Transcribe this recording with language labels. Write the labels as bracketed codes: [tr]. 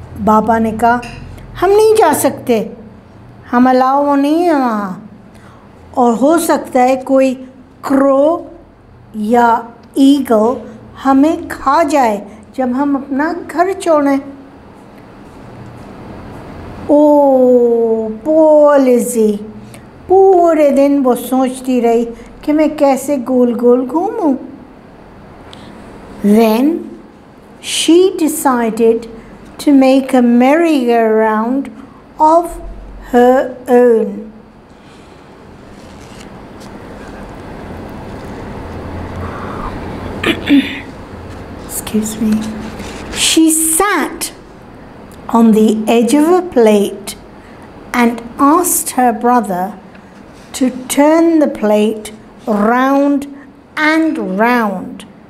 [hi] Baba ne kaha, "Hum nahi ja sakte, hum allow nahi hai wahan, aur ho sakta hai koi crow ya eagle हमें खा जाए जब हम अपना घर छोड़ें." [en] oh poor [hi] लिजी, पूरे दिन वो सोचती रही कि मैं कैसे गोल गोल घूमूं. [en] Then she decided to make a merry-go-round of her own. Excuse me. She sat on the edge of a plate and asked her brother to turn the plate round and round.